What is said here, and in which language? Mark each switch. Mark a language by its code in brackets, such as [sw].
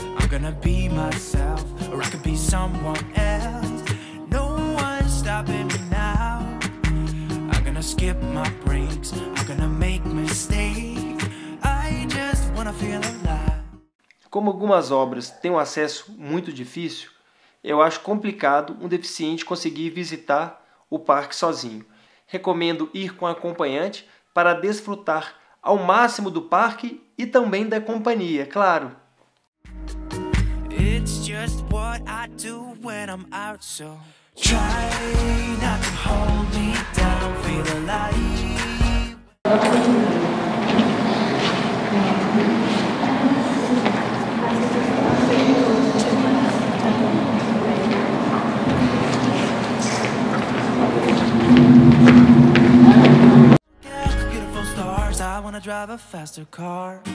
[en] Gonna be myself, or I could be someone else. No one's stopping me now. I'm gonna skip my breaks, I'm gonna make mistakes. I just wanna feel alive. [pt] Como algumas obras têm um acesso muito difícil, eu acho complicado um deficiente conseguir visitar o parque sozinho. Recomendo ir com acompanhante para desfrutar ao máximo do parque e também da companhia, claro. [en] It's just what I do when I'm out, so try not to hold me down, feel alive. Look at the beautiful stars, I wanna drive a faster car.